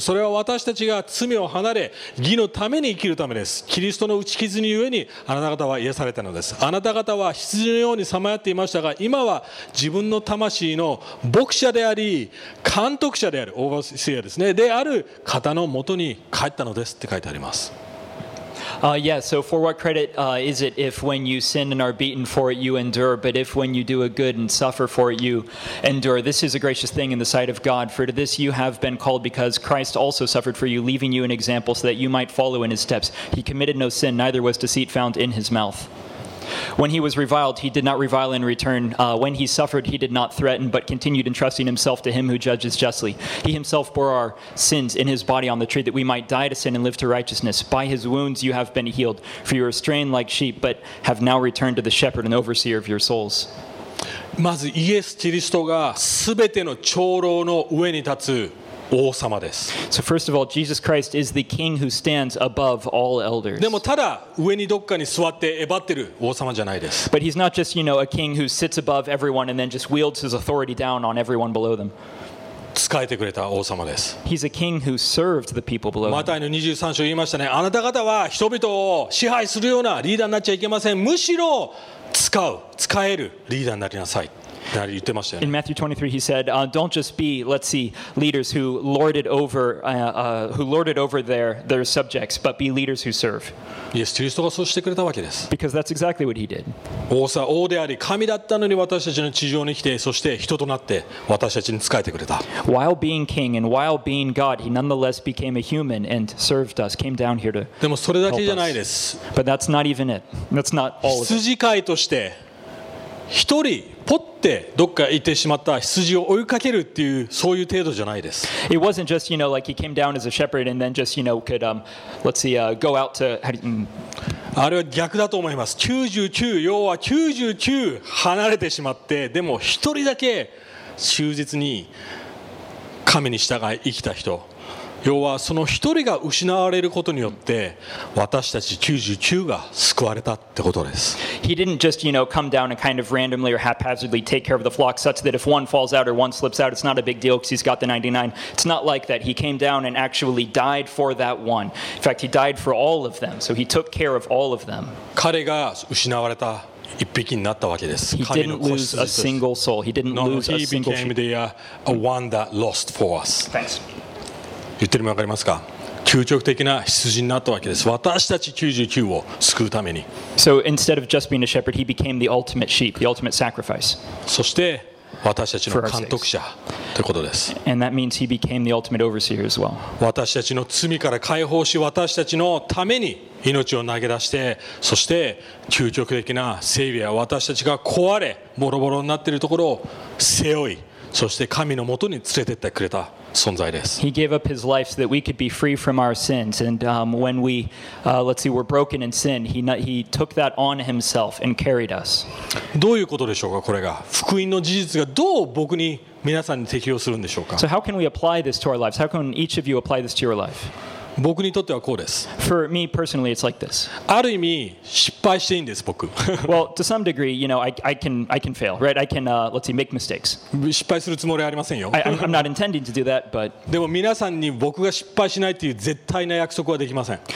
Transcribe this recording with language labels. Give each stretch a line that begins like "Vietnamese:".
Japanese: それは私たちが罪を離れ義のために生きるためです。キリストの打ち傷にゆえにあなた方は癒されたのです。あなた方は羊のようにさまよっていましたが、今は自分の魂の牧者であり監督者である、オーバーシアですね、である方のもとに帰ったのですって書いてあります。
English: Yeah, so for what credit is it if when you sin and are beaten for it, you endure, but if when you do a good and suffer for it, you endure? This is a gracious thing in the sight of God, for to this you have been called, because Christ also suffered for you, leaving you an example so that you might follow in his steps. He committed no sin, neither was deceit found in his mouth. When he was reviled, he did not revile in return. When he suffered, he did not threaten, but continued entrusting himself to him who judges justly. He himself bore our sins in his body on the tree, that we might die to sin and live to righteousness. By his wounds you have been healed, for you were strained like sheep, but have now returned to the shepherd and overseer of your souls.
Japanese: まずイエス・キリストが全ての長老の上に立つ王様です。
English: So first of all, Jesus Christ is the king who stands above all elders.
Japanese: でもただ上にどっかに座って威張ってる王様じゃないです。
English: But he's not just, you know, a king who sits above everyone and then just wields his authority down on everyone below them.
Japanese: 使えてくれた王様です。
English: He's a king who served the people below him.
Japanese: マタイの23章言いましたね。あなた方は人々を支配するようなリーダーになっちゃいけません。むしろ使えるリーダーになりなさい。
English: In Matthew 23, he said, "Don't just be, let's see, leaders who lord it over, their subjects, but be leaders who serve."
Japanese: Yes, キリストがそうしてくれたわけです。
English: Because that's exactly what he did.
Japanese: 王であり神だったのに私たちの地上に来て、そして人となって私たちに仕えてくれた。
English: While being king and while being God, he nonetheless became a human and served us, came down here to help us.
Japanese: でもそれだけじゃないです。
English: But that's not even it. That's not all.
Japanese: 羊飼いとして一人ポッてどっか行ってしまった羊を追いかけるっていうそういう程度じゃないです。
English: It wasn't just, you know, like he came down as a shepherd and then just, you know, could, let's see, go out to.
Japanese: あれは逆だと思います。99、要は99離れてしまって、でも一人だけ忠実に神に従い生きた人。要はその一人が失われることによって私たち99が救われたってことです。
English: He didn't just, you know, come down and kind of randomly or haphazardly take care of the flock such that if one falls out or one slips out, it's not a big deal because he's got the 99. It's not like that. He came down and actually died for that one. In fact, he died for all of them. So he took care of all of them.
Japanese: 彼が失われた一匹になったわけです。
English: He didn't lose a single soul. He didn't lose a single sheep. No, he became the one that lost for us. Thanks.
Japanese: 言ってるのわかりますか？究極的な羊になったわけです。私たち99を救うために。
English: So instead of just being a shepherd, he became the ultimate sheep, the ultimate sacrifice.
Japanese: そして私たちの監督者ということです。
English: And that means he became the ultimate overseer as well.
Japanese: 私たちの罪から解放し、私たちのために命を投げ出して、そして究極的なセイビア、私たちが壊れボロボロになっているところを背負い、そして神のもとに連れてってくれた。
English: He gave up his life so that we could be free from our sins. And when we, let's see, were broken in sin, he took that on himself and carried us.
Japanese: どういうことでしょうか、これが。福音の事実がどう僕に、皆さんに適用するんでしょうか。
English: So how can we apply this to our lives? How can each of you apply this to your life?
Japanese: 僕にとってはこうです。
English: For me personally, it's like this.
Japanese: ある意味、失敗していいんです、僕。
English: Well, to some degree, you know, I can fail, right? I can, let's see, make mistakes.
Japanese: 失敗するつもりはありませんよ。
English: I'm not intending to do that, but...
Japanese: でも皆さんに僕が失敗しないという絶対な約束はできません。